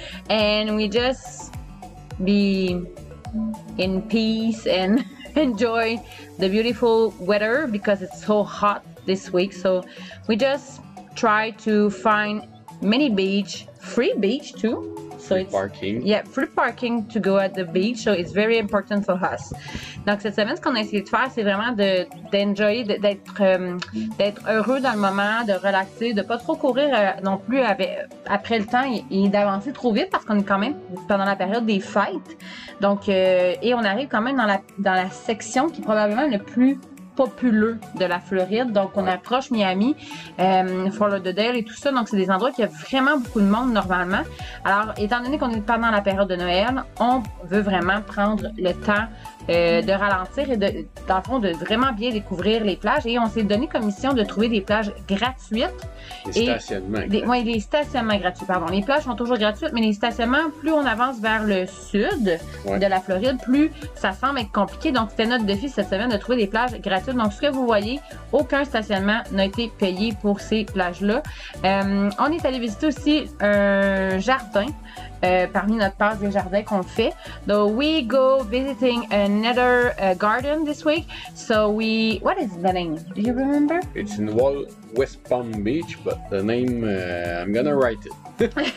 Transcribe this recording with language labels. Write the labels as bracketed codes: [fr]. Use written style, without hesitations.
[en] And we just be in peace and enjoy the beautiful weather because it's so hot this week. So, we just try to find many beach, free beach too. Free parking to go at the beach, so it's very important for us. [fr] Donc cette semaine, ce qu'on a essayé de faire, c'est vraiment d'être heureux dans le moment, de relaxer, de pas trop courir non plus après le temps et d'avancer trop vite parce qu'on est quand même pendant la période des fêtes. Donc et on arrive quand même dans la section qui est probablement le plus populeux de la Floride, donc on approche Miami, Fort Lauderdale et tout ça, donc c'est des endroits qui a vraiment beaucoup de monde normalement. Alors, étant donné qu'on est pendant la période de Noël, on veut vraiment prendre le temps de ralentir et de vraiment bien découvrir les plages, et on s'est donné comme mission de trouver des plages gratuites. Les stationnements gratuits, pardon. Les plages sont toujours gratuites, mais les stationnements, plus on avance vers le sud de la Floride, plus ça semble être compliqué. Donc, c'était notre défi cette semaine de trouver des plages gratuites. Donc, ce que vous voyez, aucun stationnement n'a été payé pour ces plages-là. On est allé visiter aussi un jardin parmi notre passe des jardins qu'on fait. Donc, [en] we go visiting another garden this week. So, we... What is the name? Do you remember? It's in West Palm Beach, but the name, I'm gonna write it.